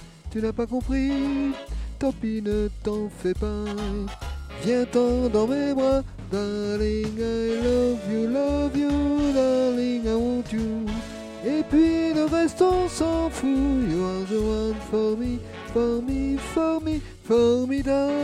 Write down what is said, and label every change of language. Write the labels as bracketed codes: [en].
[fr] Tu n'as pas compris, tant pis, ne t'en fais pas. Viens-t'en dans mes bras. [en] Darling, I love you, darling, I want you. [fr] Et puis le reste on s'en fout. [en] You are the one for me, for me, for me, formidable.